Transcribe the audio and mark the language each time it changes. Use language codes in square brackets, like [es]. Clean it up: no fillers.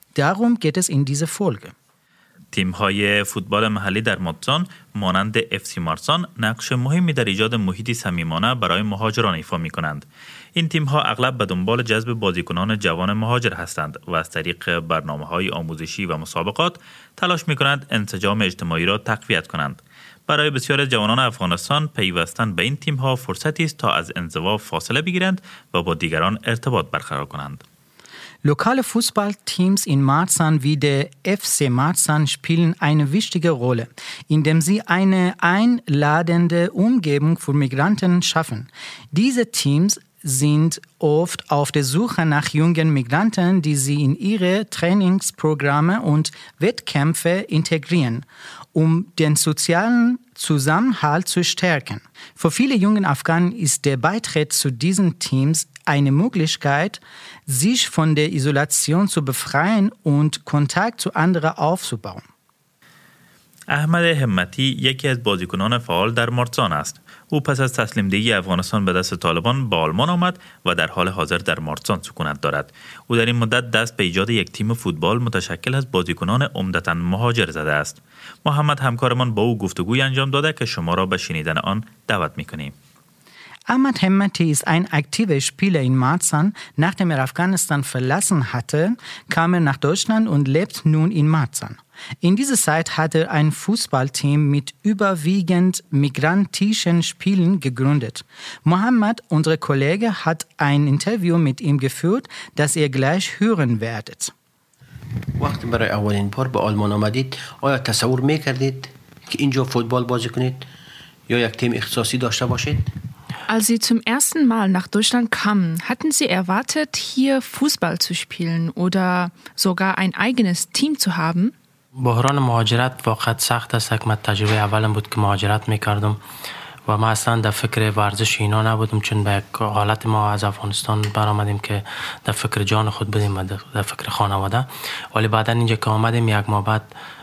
[de] Darum geht es in dieser Folge. [fa] تیم‌های فوتبال محلی در مارتزان مانند اف سی مارتزان نقش مهمی در ایجاد محیطی صمیمانه برای مهاجران ایفا می‌کنند. این تیم‌ها اغلب به دنبال جذب بازیکنان جوان مهاجر هستند و از طریق برنامه‌های آموزشی و مسابقات تلاش می‌کنند انسجام اجتماعی را تقویت کنند. برای بسیاری جوانان افغانستان پیوستن به این تیم‌ها فرصتی است تا از انزوا فاصله بگیرند و با دیگران ارتباط برقرار کنند. [de] Lokale Fußballteams in Marzahn wie der FC Marzahn spielen eine wichtige Rolle, indem sie eine einladende Umgebung für Migranten schaffen. Diese Teams sind oft auf der Suche nach jungen Migranten, die sie in ihre Trainingsprogramme und Wettkämpfe integrieren, um den sozialen Zusammenhalt zu stärken. Für viele junge Afghanen ist der Beitritt zu diesen Teams eine Möglichkeit, sich von der Isolation zu befreien und Kontakt zu anderen aufzubauen. [fa] احمد همتی یکی از بازیکنان فعال در مارتزان است. او پس از تسلیم دهی افغانستان به دست طالبان به آلمان آمد و در حال حاضر در مارتزان سکونت دارد. او در این مدت دست به ایجاد یک تیم فوتبال متشکل از بازیکنان عمدتاً مهاجر زده است. محمد همکارمان با او گفتگوی انجام داده که شما را به شنیدن آن دعوت می‌کنیم. [de] Ahmad Hemmati ist ein aktiver Spieler in Marzahn. Nachdem er Afghanistan verlassen hatte, kam er nach Deutschland und lebt nun in Marzahn. In dieser Zeit hat er ein Fußballteam mit überwiegend migrantischen Spielern gegründet. Mohammed, unser Kollege, hat ein Interview mit ihm geführt, das ihr gleich hören werdet. [fa] وقتی برای اولین بار به آلمان آمدید، آیا تصور میکردید که اینجا فوتبال بازی کنید یا یک تیم اختصاصی داشته باشید؟ [de] als Sie zum ersten Mal nach Deutschland kamen, hatten Sie erwartet, hier Fußball zu spielen oder sogar ein eigenes Team zu haben? [fa] بحران مهاجرت واقعا سخت است یک من تجربه اولم بود که مهاجرت میکردم و ما اصلا در فکر ورزش اینا نبودم چون به یک حالت ما از افغانستان برآمدیم که در فکر جان خود بودیم و در فکر خانواده ولی بعدا اینجا که آمدیم یک ماه بعد